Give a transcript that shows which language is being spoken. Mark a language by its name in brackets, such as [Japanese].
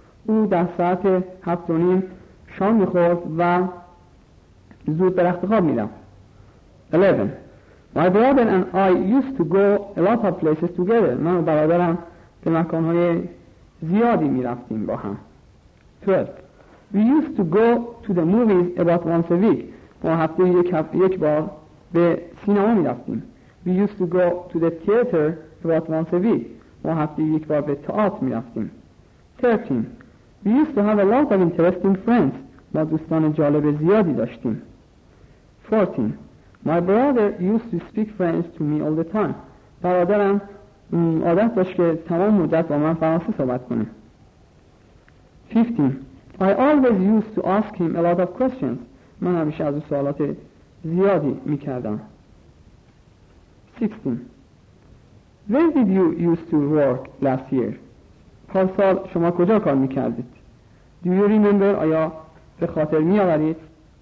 [Persian] او در ساعت 7:30 شام می خورد و زود به رخت خواب می رفت. [English] 11. My brother and I used to go a lot of places together. [Persian] من و برادرم به مکانهای زیادی می رفتیم با هم. [English] 12. We used to go to the movies about once a week. [Persian] ما هفته یک بار به سینما می رفتیم. [English] We used to go to the theater about once a week. [Persian] ما هفته یک بار به تئاتر می رفتیم. [English] 13. We used to have a lot of interesting friends. [Persian] ما دوستان جالب زیادی داشتیم. [English] 14. My brother used to speak French to me all the time. [Persian] برادرم عادت داشت که تمام مدت با من فرانسه صحبت کنه. [English] 15. I always used to ask him a lot of questions. [Persian] من همیشه از او سوالات زیادی می کردم. [English] 16. Where did you used to work last year? [Persian] پارسال شما کجا کار می کردید؟ [English] Do you remember? [Persian] آیا به خاطر می آورید؟